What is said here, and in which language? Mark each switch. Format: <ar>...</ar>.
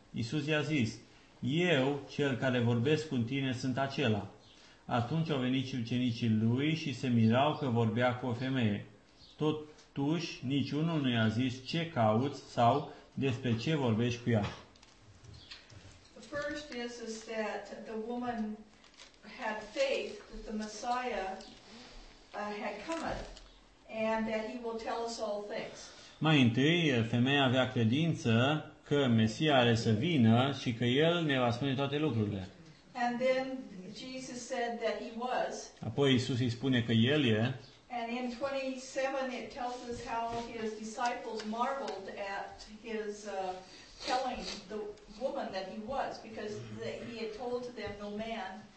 <ro>Iisus i-a zis, eu, cel care vorbesc cu tine, sunt acela. Atunci au venit și ucenicii lui și se mirau că vorbea cu o femeie. Totuși, niciunul nu i-a zis ce cauți sau despre ce vorbești cu ea.</ro> <en>The first is that the woman had faith that the Messiah had cometh and that he will tell us all things.</en> <ro>Mai întâi, femeia avea credință că Mesia are să vină și că El ne va spune toate lucrurile.</ro> <en>And then Jesus said that he was.</en> <ro>Apoi Iisus îi spune că El e.</ro> <en>And in 27 it tells us how his disciples marveled at his telling the woman that he was, because he had told to them no man.</en>